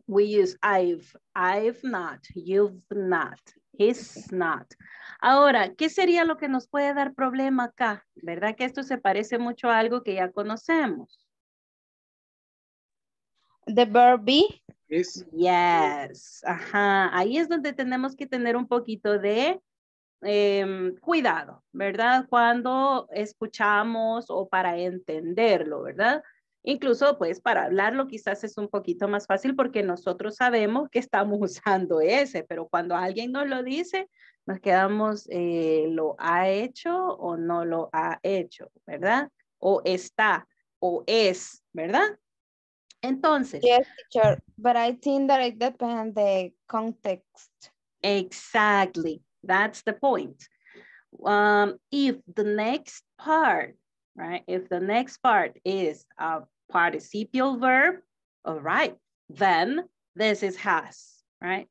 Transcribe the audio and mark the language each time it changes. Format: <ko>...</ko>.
<en>We use I've not, you've not, he's not.</en> <es>Ahora, ¿qué sería lo que nos puede dar problema acá? ¿Verdad que esto se parece mucho a algo que ya conocemos?</es> <en>The verb be.</en> <es>Yes, ajá, ahí es donde tenemos que tener un poquito de cuidado, ¿verdad? Cuando escuchamos o para entenderlo, ¿verdad? Incluso, pues, para hablarlo quizás es un poquito más fácil porque nosotros sabemos que estamos usando ese, pero cuando alguien nos lo dice, nos quedamos, ¿lo ha hecho o no lo ha hecho? ¿Verdad? O está, o es, ¿verdad? Entonces.</es> <en>Yes, teacher, but I think that it depends on the context. Exactly. That's the point. If the next part, right, if the next part is a participial verb, all right, then this is has, right?</en>